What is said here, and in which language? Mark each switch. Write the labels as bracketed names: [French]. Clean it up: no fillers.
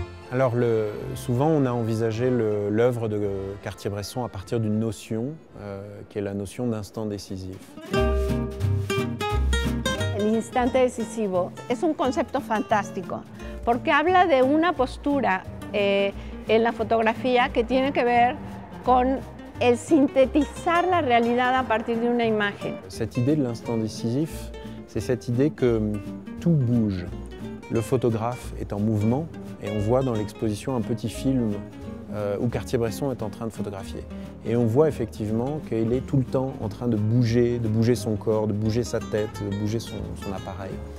[French] Alors souvent on a envisagé l'œuvre de Cartier-Bresson à partir d'une notion qui est la notion d'instant décisif. [Spanish] El instante decisivo es un concepto fantástico porque habla de una postura en la fotografía que tiene que ver con el sintetizar la realidad a partir de una imagen. [French] Cette idée de l'instant décisif, c'est cette idée que tout bouge. Le photographe est en mouvement et on voit dans l'exposition un petit film où Cartier-Bresson est en train de photographier. Et on voit effectivement qu'il est tout le temps en train de bouger son corps, de bouger sa tête, de bouger son appareil.